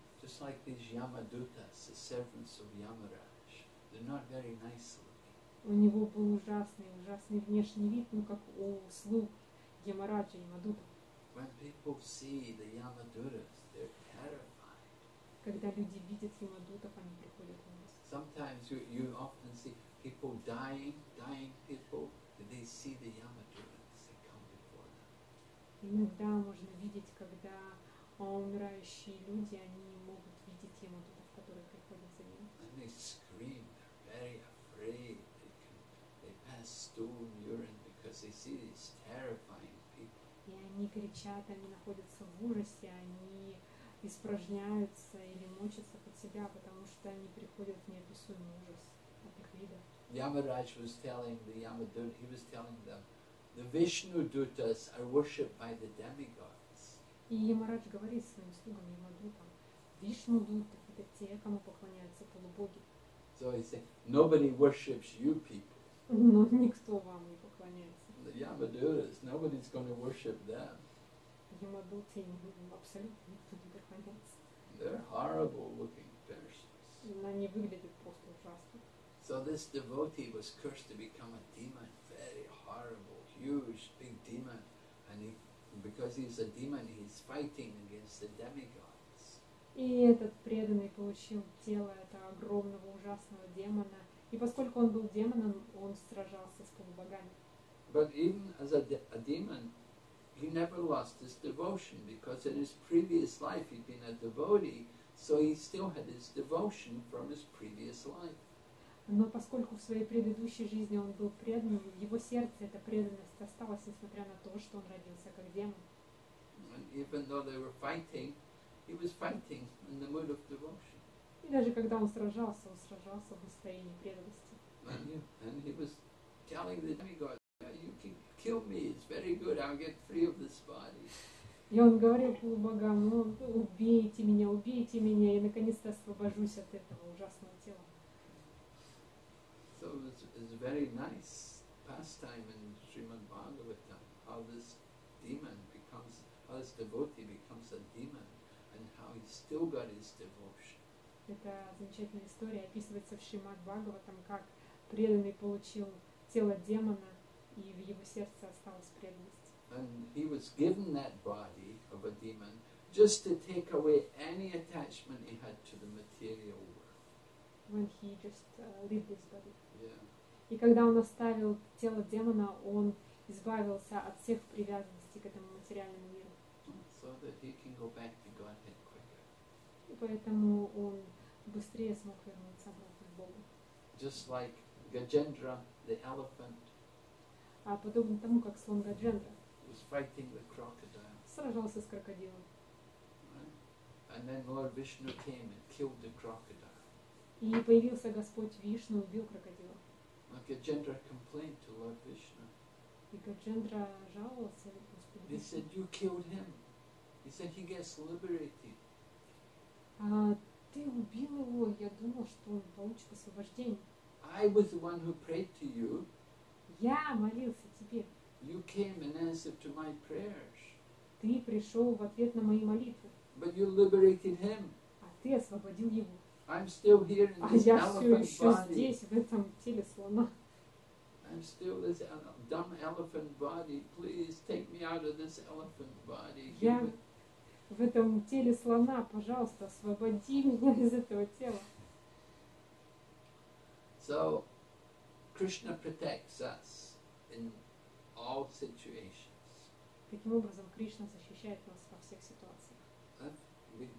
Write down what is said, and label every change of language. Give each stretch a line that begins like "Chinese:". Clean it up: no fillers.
English: Just like these Yamadutas, the servants of Yamaraj, they're not very nice looking.
Russian: У него был ужасный внешний вид, ну как у слуг Ямараджа, Ямадута.
English: When people see the Yamadutas, they're terrified.
Russian: Когда люди видят Ямадутов, они приходят в ужас.
English: Sometimes you often see people dying people, and they see the Yamadutas that come before them.
Russian: Иногда можно видеть, когда умирающие люди, они могут видеть Yamadutas, которые приходят за ним.
English: And they scream, they're very afraid. They pass stool and urine because they see these terrifying people.
Russian: И они кричат, они находятся в ужасе, они испражняются или мочатся под себя, потому что они приходят в неописуемый ужас от их вида.
English: Yamaraj was telling the Yamadutas, he was telling them, the Vishnu Dutas are worshipped by the demigods.
Russian: И Ямарадж говорит своим слугам Ямадутам, Вишну Дута — это те, кому поклоняются полубоги.
English: So he said, nobody worships you people.
Russian: Но никто вам не поклоняется.
English: The Yamadutas, nobody's going to worship them.
Russian: Ямадуты абсолютно никто не поклоняется.
English: They're horrible looking persons.
Russian: Они выглядят просто ужасно.
English: So this devotee was cursed to become a demon, very horrible, huge, big demon. And he, because he's a demon, he's fighting against the demigods.
Russian: И этот преданный получил тело этого огромного ужасного демона. И поскольку он был демоном, он сражался с полубогами.
English: But even as a demon, he never lost his devotion, because in his previous life he'd been a devotee, so he still had his devotion from his previous life.
Russian: Но поскольку в своей предыдущей жизни он был преданным, его сердце эта преданность осталась, несмотря на то, что он родился как демон.
English: And even though they were fighting, he was fighting in the mood of devotion.
Russian: И даже когда он сражался в настроении преданности.
English: And he was telling the demigod, you can kill me, it's very good, I'll get free of this body.
Russian: И он говорил полубогам, ну убейте меня, я наконец-то освобожусь от этого ужасного тела.
English: So it's a very nice pastime in Srimad Bhagavatam, how this devotee becomes a demon, and how he still got his devotion.
Russian: Это замечательная история, описывается в Шримад Бхагаватам, как преданный получил тело демона, и в его сердце осталась преданность.
English: And he was given that body of a demon just to take away any attachment he had to the material world. When he just lived this body. Yeah.
Russian: И когда он оставил тело демона, он избавился от всех привязанностей к этому материальному миру.
English: So that he can go back to Godhead quicker.
Russian: И поэтому он быстрее смог вернуться обратно к Богу.
English: Just like Gajendra, the elephant.
Russian: А подобно тому, как слон Гаджендра.
English: Was fighting the crocodile.
Russian: Сражался с крокодилом.
English: Right? And then Lord Vishnu came and killed the crocodile.
Russian: И появился Господь Вишну и убил крокодила.
English: Gajendra complained to Lord Vishnu.
Russian: И Гаджендра жаловался Господу Вишну.
English: He said, you killed him. He said, he gets liberated.
Russian: Ты убил его, я думал, что он получит освобождение.
English: I was the one who prayed to you.
Russian: Я молился тебе.
English: You came in answer to my prayers.
Russian: Ты пришел в ответ на мои молитвы.
English: But you liberated him.
Russian: А ты освободил его.
English: I'm still here in this elephant body.
Russian: Здесь, в этом теле слона.
English: I'm still this dumb elephant body. Please take me out of this elephant body.
Russian: В этом теле слона, пожалуйста, освободи меня из этого тела.
English: So, Krishna protects us in all situations.
Russian: Таким образом, Кришна защищает нас во всех ситуациях.